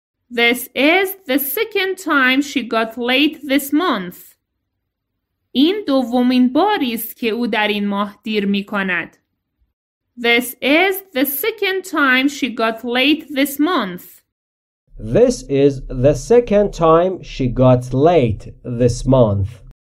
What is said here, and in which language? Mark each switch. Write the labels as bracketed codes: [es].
[en] This is the second time she got late this month. [fa] این دومین باری است که او در این ماه دیر می کند. [en] This is the second time she got late this month. This is the second time she got late this month.